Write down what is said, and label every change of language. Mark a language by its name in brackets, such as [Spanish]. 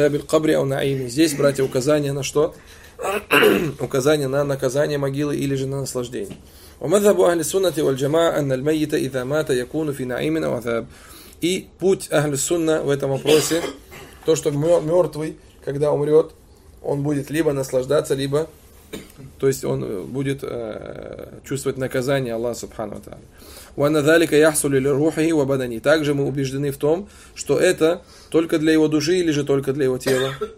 [Russian] Здесь, братья, указание на что? Указание на наказание могилы или же на наслаждение. [Arabic] ومذهب أهل السنة والجماعة أن الميت إذا مات يكون في نعيم أو عذاب. [Russian] И путь أهل السنة в этом вопросе, то, что мертвый, когда умрет, он будет либо наслаждаться, либо, то есть он будет чувствовать наказание Аллаха Субхану ва Тааля. [Arabic] وأن ذلك يحصل للروح وبدن. [Russian] Также мы убеждены в том, что это только для его души или же только для его тела.